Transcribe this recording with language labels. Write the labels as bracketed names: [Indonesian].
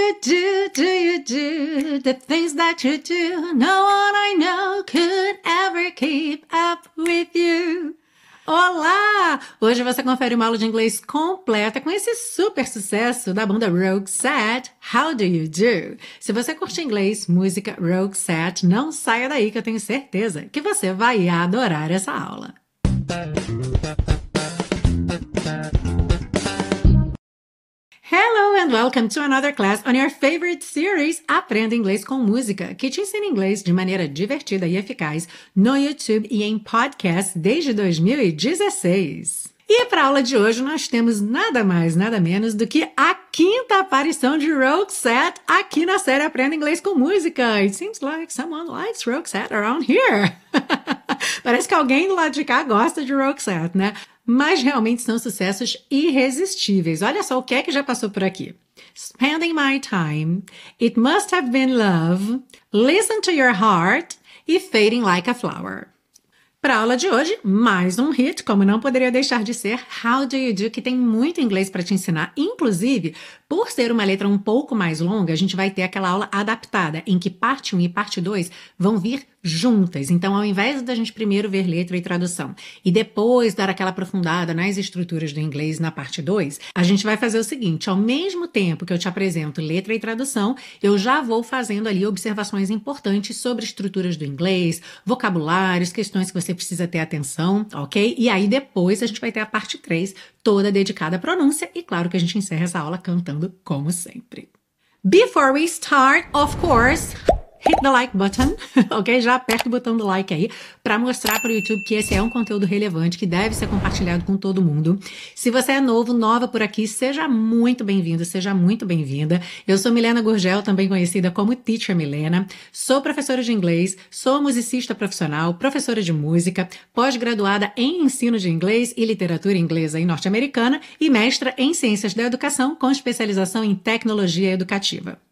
[English] The things that you do, no one I know could ever keep up with you. [Portuguese] Olá! Hoje você confere uma aula de inglês completa com esse super sucesso da banda Rogueset, How Do You Do? Se você curte inglês, música Rogueset, não saia daí que eu tenho certeza que você vai adorar essa aula. [English] Hello and welcome to another class on your favorite series, [Portuguese] Aprenda Inglês com Música, que te ensina inglês de maneira divertida e eficaz no YouTube e em podcast desde 2016. E para a aula de hoje, nós temos nada mais, nada menos do que a quinta aparição de Rogueset aqui na série Aprenda Inglês com Música. [English] It seems like someone likes Rogueset around here. [Portuguese] Parece que alguém do lado de cá gosta de Rogueset, né? Mas realmente são sucessos irresistíveis. Olha só o que é que já passou por aqui. Spending My Time, It Must Have Been Love, Listen to Your Heart e Fading Like a Flower. Para a aula de hoje, mais um hit, como não poderia deixar de ser, How Do You Do, que tem muito inglês para te ensinar. Inclusive, por ser uma letra um pouco mais longa, a gente vai ter aquela aula adaptada, em que parte 1 e parte 2 vão vir juntas. Então, ao invés da gente primeiro ver letra e tradução e depois dar aquela aprofundada nas estruturas do inglês na parte 2, a gente vai fazer o seguinte: ao mesmo tempo que eu te apresento letra e tradução, eu já vou fazendo ali observações importantes sobre estruturas do inglês, vocabulários, questões que você precisa ter atenção, ok? E aí depois a gente vai ter a parte 3, toda dedicada à pronúncia, e claro que a gente encerra essa aula cantando como sempre. [English] Before we start, of course, hit the like button, ok? [Portuguese] Já aperta o botão do like aí para mostrar para o YouTube que esse é um conteúdo relevante que deve ser compartilhado com todo mundo. Se você é novo, nova por aqui, seja muito bem-vindo, seja muito bem-vinda. Eu sou Milena Gurgel, também conhecida como Teacher Milena. Sou professora de inglês, sou musicista profissional, professora de música, pós-graduada em ensino de inglês e literatura inglesa e norte-americana e mestra em ciências da educação com especialização em tecnologia educativa.